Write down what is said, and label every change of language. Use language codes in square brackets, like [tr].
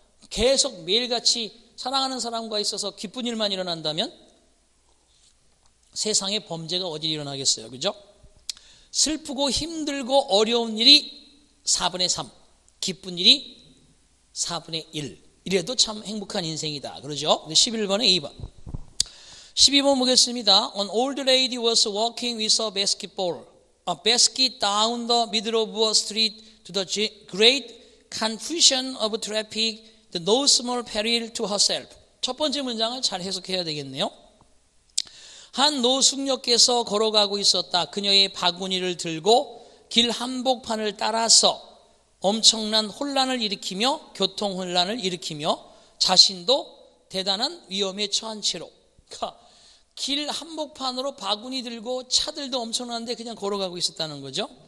[ko] 계속 매일같이 사랑하는 사람과 있어서 기쁜 일만 일어난다면 세상에 범죄가 어디 일어나겠어요. 그죠? 슬프고 힘들고 어려운 일이 4분의 3, 기쁜 일이 4분의 1. 이래도 참 행복한 인생이다. 그러죠? 11번에 2번. 12번 보겠습니다. [en] An old lady was walking with a basketball. A basket down the middle of a street to the great confusion of traffic, the no small peril to herself. [ko] 첫 번째 문장을 잘 해석해야 되겠네요. 한 노숙녀께서 걸어가고 있었다. 그녀의 바구니를 들고 길 한복판을 따라서 엄청난 혼란을 일으키며 교통혼란을 일으키며 자신도 대단한 위험에 처한 채로 길 한복판으로 바구니 들고 차들도 엄청난데 그냥 걸어가고 있었다는 거죠.